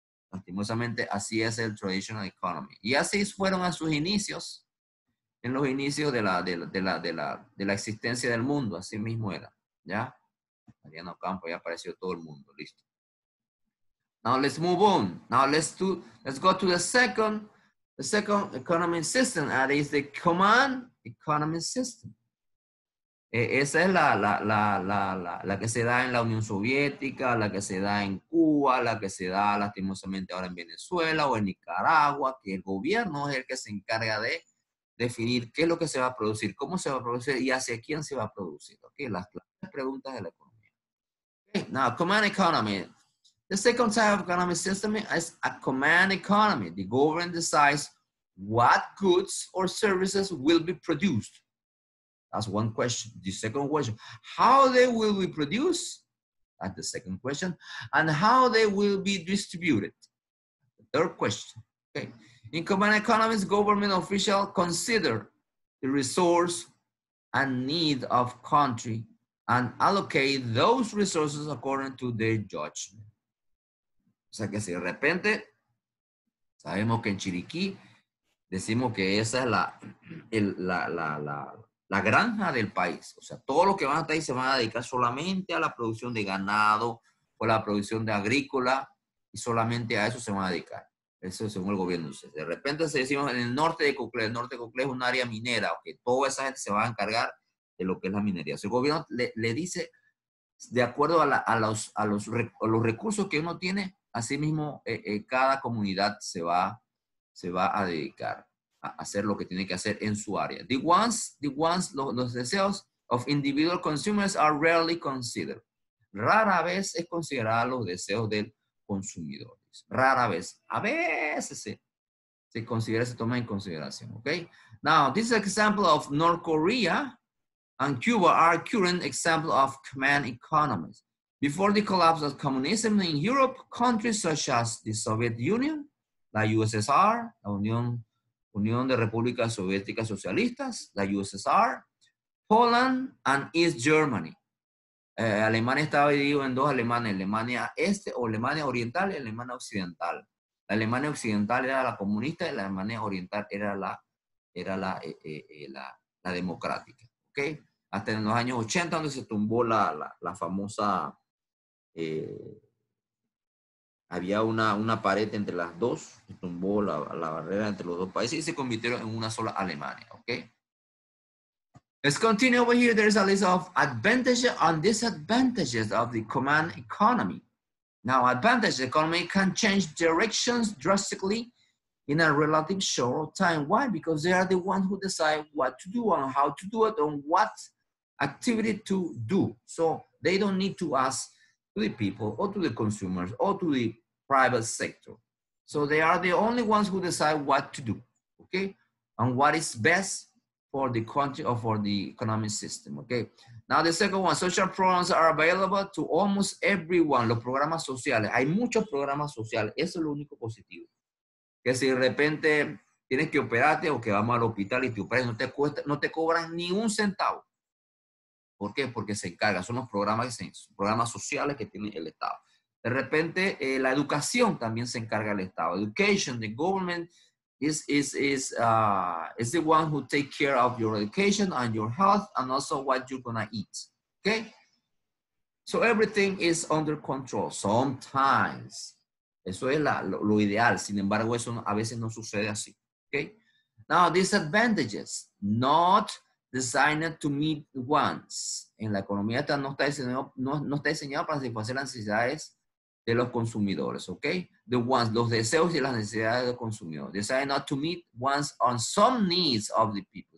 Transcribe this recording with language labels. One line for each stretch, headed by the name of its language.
Spanish: Lastimosamente, así es el traditional economy. Y así fueron a sus inicios, en los inicios de la existencia del mundo. Así mismo era, ¿ya? Mariano Campo, ya apareció todo el mundo, listo.
English: Now let's move on. Now let's go to the second economy system, that is the command economy system.
Spanish: Esa es la que se da en la Unión Soviética, la que se da en Cuba, la que se da lastimosamente ahora en Venezuela o en Nicaragua, que el gobierno es el que se encarga de definir qué es lo que se va a producir, cómo se va a producir y hacia quién se va a producir. Okay, las preguntas de la economía.
English: Okay, now, command economy. The second type of economic system is a command economy. The government decides what goods or services will be produced. That's one question. The second question, how they will be produced? That's the second question. And how they will be distributed? The third question. Okay. In command economies, government officials consider the resource and need of country and allocate those resources according to their judgment.
Spanish: O sea que si de repente sabemos que en Chiriquí decimos que esa es la granja del país. O sea, todos los que van a estar ahí se van a dedicar solamente a la producción de ganado o la producción de agrícola, y solamente a eso se van a dedicar. Eso según el gobierno. Entonces, de repente se decimos en el norte de Coclé es un área minera, que okay, toda esa gente se va a encargar de lo que es la minería. O sea, el gobierno le dice, de acuerdo a los recursos que uno tiene, asimismo cada comunidad se va a dedicar a hacer lo que tiene que hacer en su área.
English: The wants,
Spanish: los deseos
English: of individual consumers are rarely considered.
Spanish: Rara vez es considerada los deseos del consumidor. Rara vez. A veces se considera, se toma en consideración. Okay?
English: Now, this example of North Korea and Cuba are current examples of command economies. Before the collapse of communism in Europe, countries such as the Soviet Union,
Spanish: la USSR, la Unión de Repúblicas Soviéticas Socialistas, la USSR,
English: Poland and East Germany.
Spanish: Alemania estaba dividido en dos Alemanes, Alemania Este o Alemania Oriental y Alemania Occidental. La Alemania Occidental era la comunista y la Alemania Oriental era la democrática. ¿Okay? Hasta en los años 80, donde se tumbó la famosa... había una pared entre las dos, se tumbó la barrera entre los dos países y se convirtieron en una sola Alemania.
English: ¿Okay? Let's continue over here. There's a list of advantages and disadvantages of the command economy. Now, advantage economy can change directions drastically in a relative short time. Why? Because they are the ones who decide what to do and how to do it and what activity to do. So they don't need to ask to the people or to the consumers or to the private sector. So they are the only ones who decide what to do, okay? And what is best for the country or for the economic system, okay? Now the second one, social programs are available to almost everyone.
Spanish: Los programas sociales, hay muchos programas sociales, eso es lo único positivo. Que si de repente tienes que operarte o que vamos al hospital y te operas, no te cobran ni un centavo. ¿Por qué? Porque se encarga, son los programas sociales que tiene el Estado. De repente, la educación también se encarga del Estado.
English: Education, the government, is the one who take care of your education and your health and also what you're gonna eat, okay? So everything is under control sometimes.
Spanish: Eso es lo ideal, sin embargo, eso a veces no sucede así, okay?
English: Now, disadvantages, not designed to meet wants.
Spanish: En la economía esta no está diseñado para satisfacer las necesidades de los consumidores, okay?
English: The ones,
Spanish: los deseos y las necesidades del consumidor.
English: Decide not to meet wants on some needs of the people.